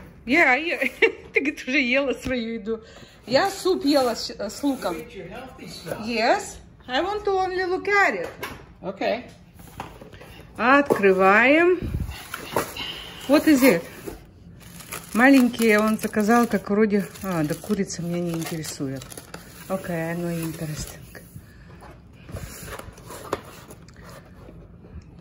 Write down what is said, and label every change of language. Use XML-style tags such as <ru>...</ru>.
<en>Yeah,</en> <ru>ты, говорит, уже ела свою еду. Я суп ела с луком.</ru> <en>You ate your healthy stuff. Yes, I want to only look at it. Okay.</en> <ru>Открываем. Вот и зет. Маленькие он заказал, как вроде... А, да курица меня не интересует.</ru> <en>Окей, okay, no interesting.</en>